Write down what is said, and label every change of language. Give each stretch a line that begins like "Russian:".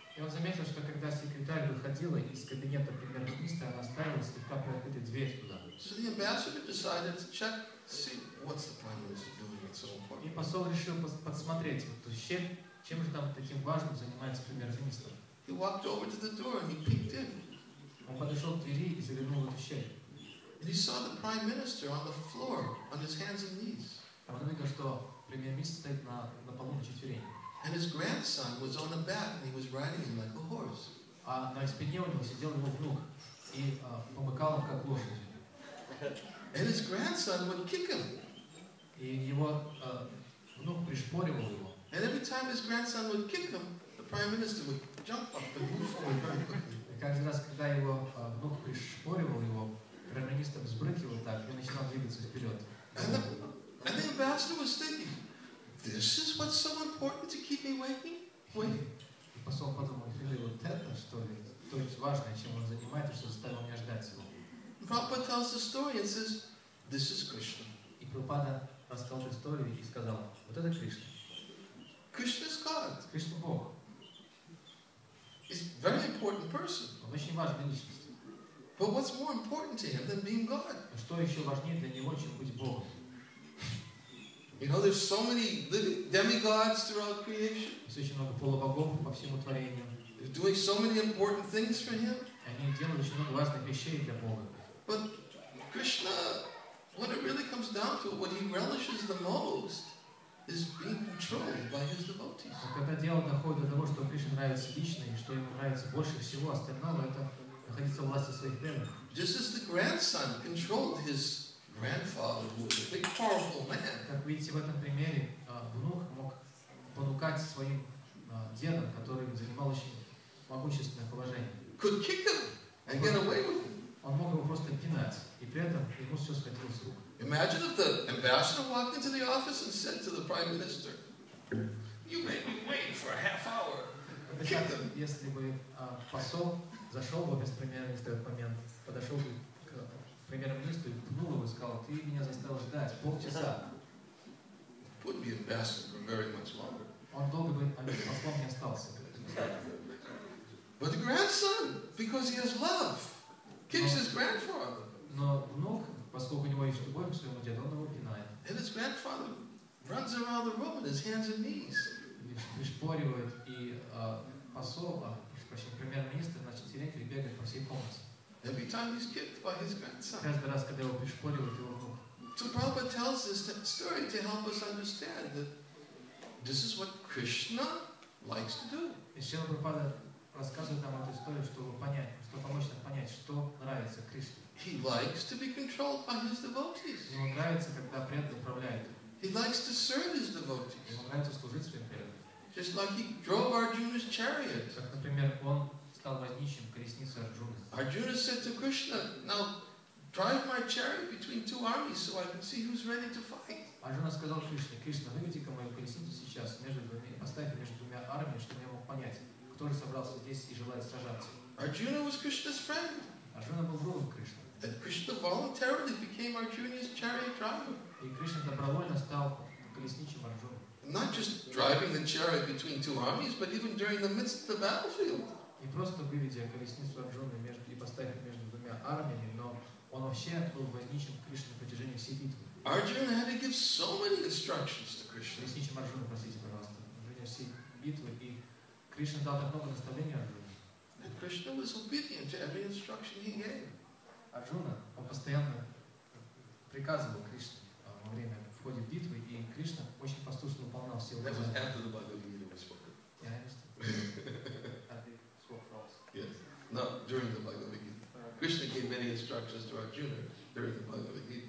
Russian: И он заметил, что когда секретарь выходила из кабинета премьер-министра, она оставила слегка приоткрытой дверь туда.
English: So the ambassador decided to check, see what's the prime minister doing. It's so important.
Russian: И посол решил подсмотреть, вот чем же там таким важным занимается премьер-министр.
English: He walked over to the door and he peeked in.
Russian: Он подошел к двери и заглянул в эту щель.
English: And he saw the prime minister on the floor, on his hands and knees.
Russian: А он увидел, что премьер-министр стоит на полу на четвереньках.
English: And his grandson was on a bat and he was riding him like a horse.
Russian: А на спине у него сидел его внук и помыкал его как лошадь.
English: And his grandson would kick him.
Russian: И его внук пришпоривал его.
English: And every time his grandson would kick him, the prime minister would jump up and move forward very quickly.
Russian: И каждый раз, когда его внук пришпоривал его, премьер-министр взбрыкивал так и начинал двигаться вперед.
English: And the ambassador was thinking, this is what's so important to keep me waiting?
Russian: И посол подумал, или вот это, что ли, то есть важное, чем он занимается, что заставил меня ждать его.
English: Prabhupada tells the story and says, this is Krishna.
Russian: И Прабхупада рассказал историю и сказал, вот это Кришна.
English: Krishna is God.
Russian: Кришна Бог.
English: He's a very important person.
Russian: Он очень важный личность.
English: But what's more important to him than being God?
Russian: Что еще важнее для него, чем быть Богом?
English: You know, there's so many demigods throughout creation.
Russian: Есть очень много полубогов по всему творению.
English: They're doing so many important things for him.
Russian: Они делают очень много важных вещей для Бога.
English: But Krishna, what it really comes down to, what he relishes the most, is being controlled by his devotees.
Russian: Когда дело доходит до того, что Кришне нравится лично и что ему нравится больше всего остального, это находиться в власти своих преданных.
English: Just as the grandson controlled his grandfather, who was a big, powerful man.
Russian: Как видите в этом примере, внук мог понукать своим дедом, который занимал очень могущественное положение.
English: Could kick him and get away with him.
Russian: Он мог его просто пинать, и при этом ему все сходило с рук.
English: Imagine if the ambassador walked into the office and said to the prime minister, "You made me wait for a half hour."
Russian: Если бы посол зашел бы без премьер-министра в этот момент, подошел бы к премьер-министру и пнул его и сказал, ты меня заставил ждать полчаса.
English: Wouldn't be ambassador for very much longer.
Russian: Он долго бы послом не остался.
English: But the grandson, because he has love, kicks his grandfather.
Russian: Но внук, поскольку у него есть любовь к своему деду, он его пинает.
English: And his grandfather runs around the room on his hands and knees.
Russian: Пришпоривает и посол, премьер-министр на четвереньках бегает по всей комнате.
English: Every time he's kicked by his grandson.
Russian: Каждый раз, когда его пришпоривают, его внук.
English: So Prabhupada tells this story to help us understand that this is what Krishna likes to do.
Russian: И Шрила Прабхупада рассказывает нам эту историю, чтобы понять, чтобы помочь нам понять, что нравится Кришне.
English: He likes to be controlled by his devotees.
Russian: Ему нравится, когда преданные управляют.
English: He likes to serve his devotees.
Russian: Ему нравится служить своим преданным.
English: Just like he drove Arjuna's chariot.
Russian: Как, например, он стал возничим колесницы Арджуны.
English: Arjuna said to Krishna, "Now drive my chariot between two armies so I can see who's ready to fight."
Russian: Арджуна сказал Кришне: "Кришна, выведи-ка мою колесницу сейчас между двумя, поставь между двумя армиями, чтобы я мог понять, кто же собрался здесь и желает сражаться."
English: Arjuna was Krishna's friend.
Russian: Арджуна был другом Кришны.
English: And Krishna voluntarily became Arjuna's chariot driver.
Russian: И Кришна добровольно стал колесничим Арджуны.
English: Not just driving the chariot between two armies, but even during the midst of the battlefield.
Russian: Не просто выведя колесницу Арджуны между и поставив между двумя армиями, но он вообще был возничим Кришны на протяжении всей битвы.
English: Arjuna had to give so many instructions to Krishna.
Russian: Колесничим Арджуны, простите, пожалуйста, на протяжении всей битвы и Кришна дал так много наставлений Арджуне.
English: And Krishna was obedient to every instruction he gave.
Russian: Арджуна он постоянно приказывал Кришне во время ходит битвы, и Кришна очень послушно выполнял все указания.
English: That was after the Bhagavad-gita was spoken. Yeah, I understand. Yes. No, during the Bhagavad-gita. Krishna gave many instructions to Arjuna during the Bhagavad-gita.